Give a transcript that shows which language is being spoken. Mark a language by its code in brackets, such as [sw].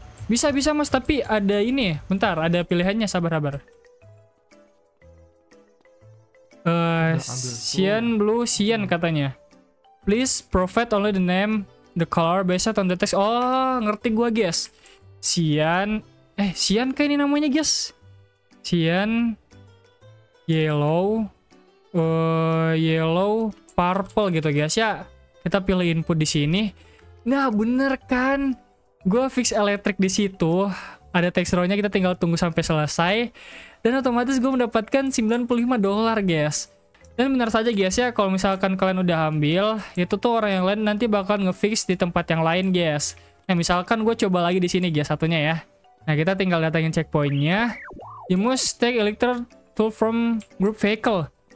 [id] Bisa, Mas, tapi ada ini. Bentar, ada pilihannya, sabar. Cyan, blue, cyan katanya. [en] Please provide only the name, the color based on the text. [id] Oh, ngerti gua, guys. Cyan kah ini namanya, guys? Cyan, yellow, yellow, purple gitu, guys ya. Kita pilih input di sini. Nah, bener kan? Gua fix elektrik di situ. Ada text row-nya, kita tinggal tunggu sampai selesai. Dan otomatis gue mendapatkan $95, guys. Dan benar saja, guys ya, kalau misalkan kalian udah ambil, itu tuh orang yang lain nanti bakal ngefix di tempat yang lain, guys. Nah, misalkan gue coba lagi di sini, guys, satunya ya. Nah, kita tinggal datangin checkpoint-nya. [en] You must take electric tool from group vehicle.